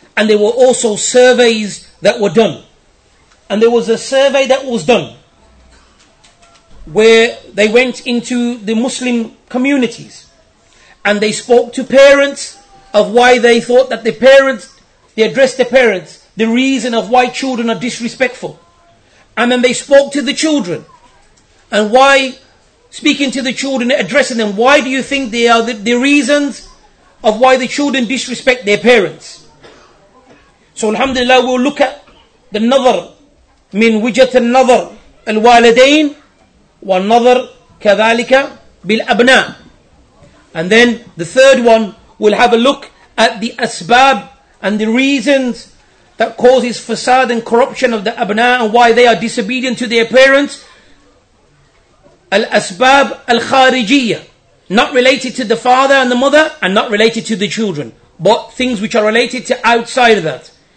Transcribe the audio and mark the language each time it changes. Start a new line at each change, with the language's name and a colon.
English: And there were also surveys that were done. And there was a survey that was done where they went into the Muslim communities and they spoke to parents of why they thought that the parents, they addressed the parents, the reason of why children are disrespectful. And then they spoke to the children and why, speaking to the children, addressing them, why do you think they are the reasons of why the children disrespect their parents? So alhamdulillah, we'll look at the nazar.
Arabic: من وجهة النظر الوالدين والنظر كذلك بالأبناء.
English: And then the third one, we'll have a look at the asbab and the reasons that causes fasad and corruption of the أبناء and why they are disobedient to their parents.
Arabic: الأسباب الخارجية,
English: not related to the father and the mother and not related to the children, but things which are related to outside of that.